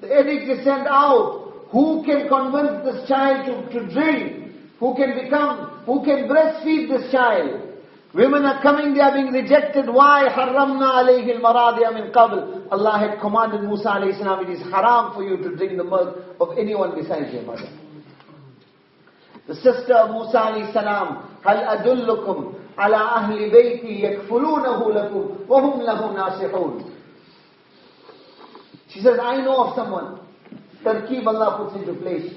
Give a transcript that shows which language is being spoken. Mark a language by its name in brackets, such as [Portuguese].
[English] The edict is sent out. Who can convince this child to drink? Who can breastfeed this child? Women are coming, they are being rejected. Why? [Arabic] Harramna alayhi al-maradi'a min qabl. [English] Allah had commanded Musa alayhi salam, it is haram for you to drink the milk of anyone besides your mother. The sister of Musa alayhi salam, [Arabic] هَلْ أَدُلُّكُمْ عَلَىٰ أَهْلِ بَيْتِي يَكْفُلُونَهُ لَكُمْ وَهُمْ لَهُ نَاسِحُونَ. [English] She says, I know of someone. Tarkeeb Allah puts into place.